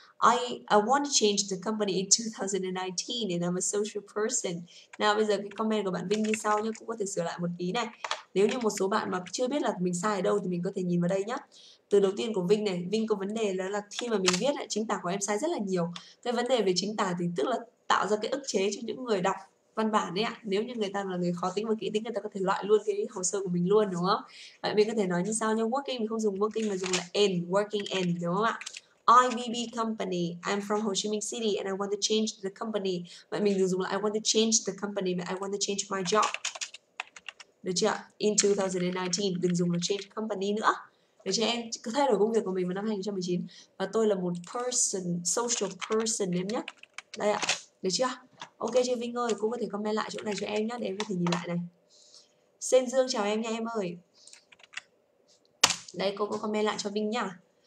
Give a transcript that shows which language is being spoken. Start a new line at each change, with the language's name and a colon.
English: I want to change the company in 2019 and I'm a social person.
Vietnamese: Nào bây giờ cái comment của bạn Vinh như sau nhé. Cũng có thể sửa lại một tí này. Nếu như một số bạn mà chưa biết là mình sai ở đâu thì mình có thể nhìn vào đây nhé. Từ đầu tiên của Vinh này, Vinh có vấn đề là khi mà mình viết chính tả của em sai rất là nhiều. Cái vấn đề về chính tả thì tức là tạo ra cái ức chế cho những người đọc văn bản ấy ạ. Nếu như người ta là người khó tính và kỹ tính, người ta có thể loại luôn cái hồ sơ của mình luôn, đúng không? Vậy mình có thể nói như sau nhé. Working mình không dùng working mà dùng là in, working in, đúng không ạ?
English: IBB company, I'm from Ho Chi Minh City and I want to change the company.
Vietnamese: Vậy mình dùng là
English: I want to change the company, but I want to change my job.
Vietnamese: Được chưa?
English: In 2019,
Vietnamese: đừng dùng là
English: change company
Vietnamese: nữa. Được chưa em? Cứ thay đổi công việc của mình vào năm 2019. Và tôi là một person,
English: social person
Vietnamese: em nhé. Đây ạ, được chưa? Ok chị Vinh ơi, cô có thể comment lại chỗ này cho em nhé, để em có thể nhìn lại này. Sên Dương chào em nha em ơi. Đây, cô có comment lại cho Vinh nha.